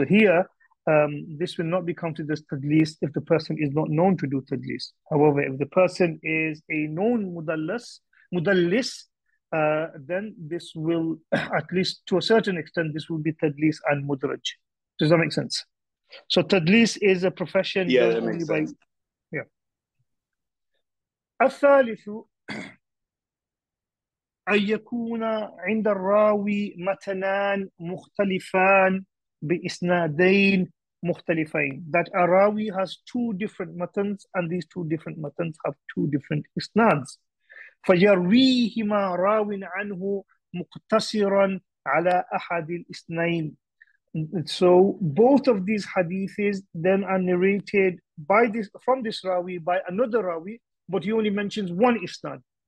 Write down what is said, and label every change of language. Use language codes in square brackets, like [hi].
[en] So here, this will not be counted as tadlis if the person is not known to do tadlis. However, if the person is a known mudallis, then this will, at least to a certain extent, this will be tadlis and mudraj. Does that make sense? So tadlis is a profession. Yeah, that makes sense. [ar] الثالث أن يكون عند الراوي متنان مختلفان بإسنادين مختلفين. [en] That a rawi has two different matans and these two different matans have two different isnads. [ar] فَيَرْوِيهِمَا رَاوٍ عَنْهُ مُقْتَصِرًا عَلَىٰ أَحَدِ الْإِسْنَيْنِ. [en] So both of these hadiths then are narrated by this from this rawi by another rawi, but he only mentions one isnad.